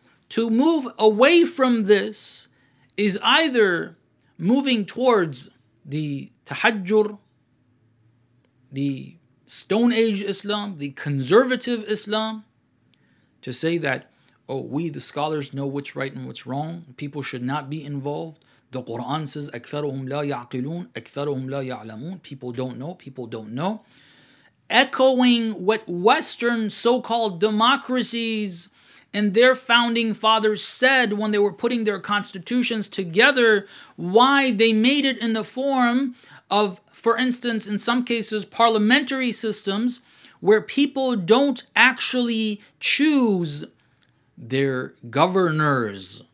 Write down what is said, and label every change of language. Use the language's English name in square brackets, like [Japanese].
[English] To move away from this is either moving towards the tahajjur, the Stone Age Islam, the conservative Islam, to say that, oh, we the scholars know what's right and what's wrong. People should not be involved. The Quran says, [Arabic] أَكْثَرُهُمْ لَا يَعْقِلُونَ أَكْثَرُهُمْ لَا يَعْلَمُونَ. [English] People don't know, people don't know. Echoing what Western so-called democracies and their founding fathers said when they were putting their constitutions together, why they made it in the form of, for instance, in some cases, parliamentary systems where people don't actually choose their governors.